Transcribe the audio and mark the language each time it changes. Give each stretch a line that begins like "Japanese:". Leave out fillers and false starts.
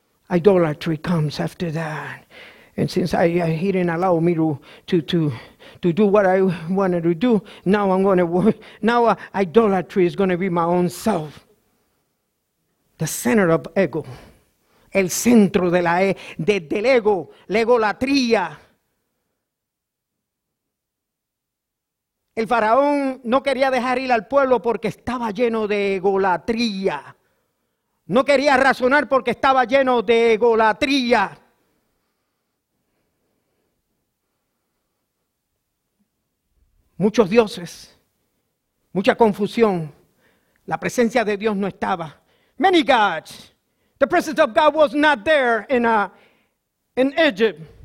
English: Idolatry comes after that. And since he didn't allow me to do what I wanted to do, now idolatry is going to be my own self. The center of ego.
Spanish: El centro de la del ego, la egolatría. El faraón no quería dejar ir al pueblo porque estaba lleno de egolatría. No quería razonar porque estaba lleno de egolatría. Muchos dioses, mucha confusión. La presencia de Dios no estaba.
English: Many gods. The presence of God was not there in Egypt.